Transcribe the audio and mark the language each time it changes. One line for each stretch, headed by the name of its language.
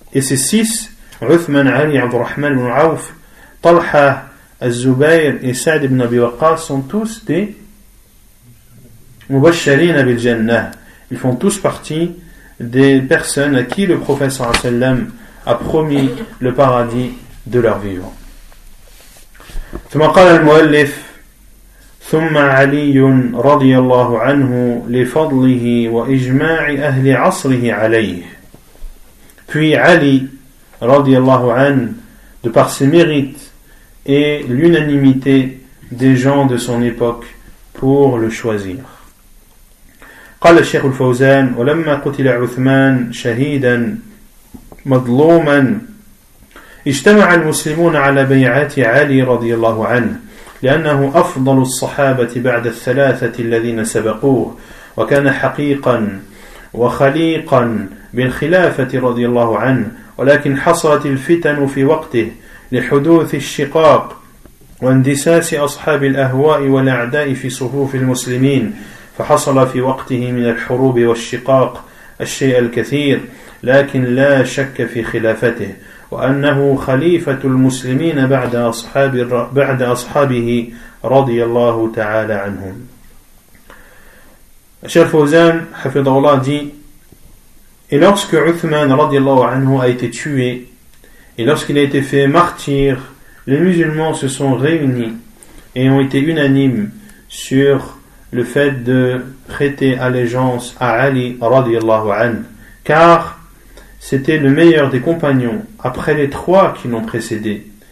French: Et ces 6, Uthman, Ali, Abdurrahman ibn Auf, Talha, Az-Zubayr et Sa'd ibn Abi Waqqas sont tous des Mubashirin bil Jannah. Ils font tous partie des personnes à qui le prophète sallallahu alayhi wa sallam a promis le paradis de leur vivant.
Arabic: ثم قال المؤلف ثم علي رضي الله عنه لفضله وإجماع أهل عصره عليه.
French: Puis Ali رضي الله عنه, de par ses mérites et l'unanimité des gens de son époque pour le choisir.
Arabic: قال الشيخ الفوزان ولما قتل عثمان شهيدا مظلوما اجتمع المسلمون على بيعة علي رضي الله عنه لأنه أفضل الصحابة بعد الثلاثة الذين سبقوه وكان حقيقا وخليقا بالخلافة رضي الله عنه ولكن حصلت الفتن في وقته لحدوث الشقاق واندساس أصحاب الأهواء والأعداء في صفوف المسلمين فحصل في وقته من الحروب والشقاق الشيء الكثير لكن لا شك في خلافته وأنه خليفة المسلمين بعد أصحابه رضي الله تعالى عنهم.
French: الشيخ فوزان حفظه الله dit: Et lorsque Uthman رضي الله عنه a été tué et lorsqu'il a été fait martyr, les musulmans se sont réunis et ont été unanimes sur le fait de prêter allégeance à Ali رضي الله عنه, car c'était le meilleur des compagnons après les 3 qui l'ont précédé.